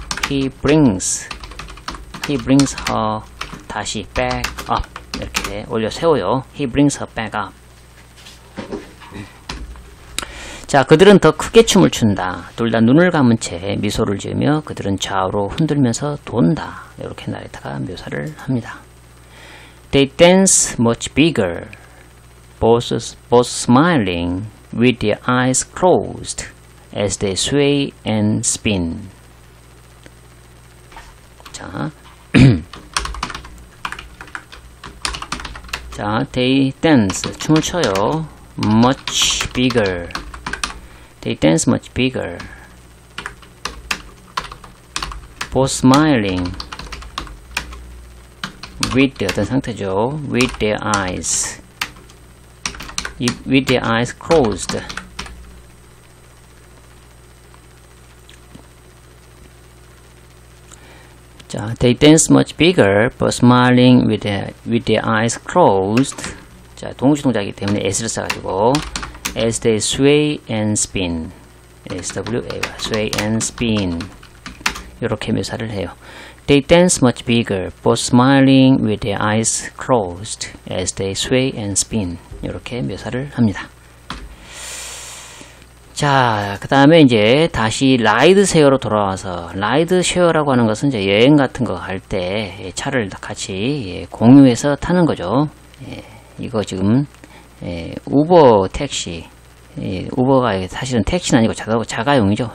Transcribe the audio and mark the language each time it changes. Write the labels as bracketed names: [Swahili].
[English] He brings her 다시 back up. [Korean] 이렇게 올려 세워요. [English] He brings her back up. [Korean] 자, 그들은 더 크게 춤을 춘다. 둘 다 눈을 감은 채 미소를 지으며 그들은 좌우로 흔들면서 돈다. 이렇게 나리타가 묘사를 합니다. [English] They dance much bigger, both smiling with their eyes closed as they sway and spin. 자, they dance, [Korean] 춤을 춰요. [English] Much bigger. They dance much bigger. Both smiling. With the, [Korean] 어떤 상태죠? [English] With their eyes. With their eyes closed. 자, they dance much bigger, but smiling with their eyes closed. [Korean] 자, 동시 동작이기 때문에 S를 써가지고. [English] As they sway and spin. SWAY. Sway and spin. [Korean] 이렇게 묘사를 해요. [English] They dance much bigger, both smiling with their eyes closed as they sway and spin. [Korean] 이렇게 묘사를 합니다. 자, 그 다음에 이제 다시 라이드 쉐어로 돌아와서, 라이드 쉐어라고 하는 것은 이제 여행 같은 거 할 때 차를 같이 공유해서 타는 거죠. 이거 지금 예, 우버 택시. 예, 우버가 사실은 택시는 아니고 자가용이죠.